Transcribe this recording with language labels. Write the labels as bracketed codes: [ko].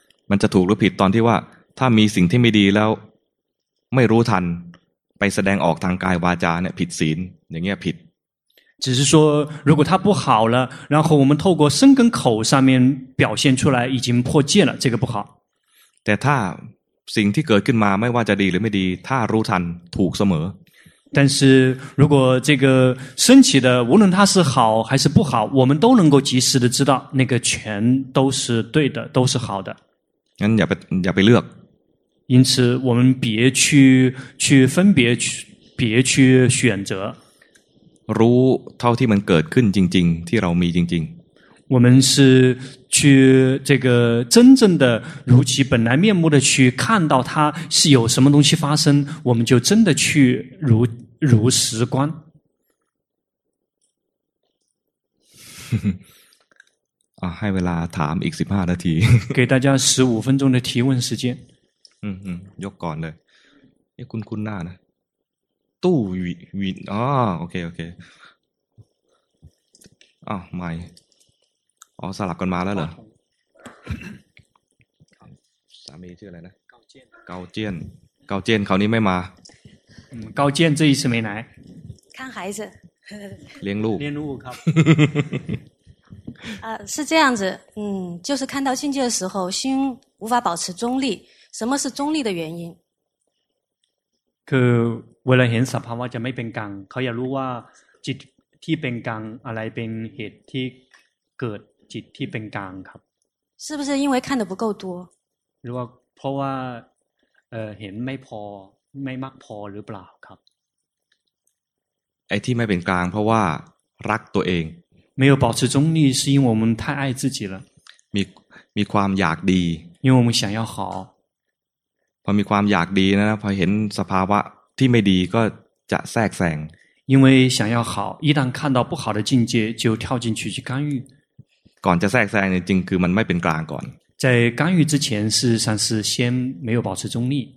[th] มันจะถูกหรือผิดตอนที่ว่าถ้ามีสิ่งที่ไม่ดีแล้วไม่รู้ทันไปแสดงออกทางกายวาจาเนี่ยผิดศีลอย่างเงี้ยผิด [zh] 只是说如果它不好了，然后我们透过身跟口上面表现出来已经破戒了，这个不好。 [th] แต่ถ้าสิ่งที่เกิดขึ้นมาไม่ว่าจะดีหรือไม่ดีถ้ารู้ทันถูกเสม [zh] อ但是如果这个升起的无论它是好还是不好我们都能够及时的知道那个全都是对的都是好的 [th] งั้นอย่าไปเลือก [zh] 因此我们别去分别别去选择 [th] รู้เท่าที่มันเกิดขึ้นจริงๆที่เรามีจริง [zh] ๆ我们是去这个真正的如其本来面目的去看到它是有什么东西发生我们就真的去如实观 [th] ให้เวลาถามอีก15นาที [zh] 给大家15分钟的提问时间 [th] ยกก่อนเลยนี่คุ้นหน้านะตู้วินอ๋อโอเคอ๋อไม่อ๋อสลับกันมาแล้วเหรอสามีชื่ออะไรนะ เกาเจียน เขานี้ไม่มา [zh] เกาเจียน这一次没来看孩子 [th] เลี้ยงลูก ครับ [zh] 是这样子就是看到境界的时候心无法保持中立什么是中立的原因 [th] คือเวลาเห็นสภาวะจะไม่เป็นกลางเขาอยากรู้ว่าจิตที่เป็นกลางอะไรเป็นเหตุที่เกิดจิตที่เป็นกลางครับ [zh] 是不是因为看的不够多 [th] หรือว่าเพราะว่าเห็นไม่พอไม่มากพอหรือเปล่าครับ ไอ้ที่ไม่เป็นกลางเพราะว่ารักตัวเอง [zh] 没有保持中立是因为我们太爱自己了 [th] มีความอยากดี [zh] 因为我们想要好 [th] พอมีความอยากดีนะพอเห็นสภาวะที่ไม่ดีก็จะแทรกแซง [zh] 因为想要好一旦看到不好的境界就跳进去去干预 [th] ก่อนจะแทรกแซงจริงคือมันไม่เป็นกลางก่อน [zh] 在干预之前事实上是先没有保持中立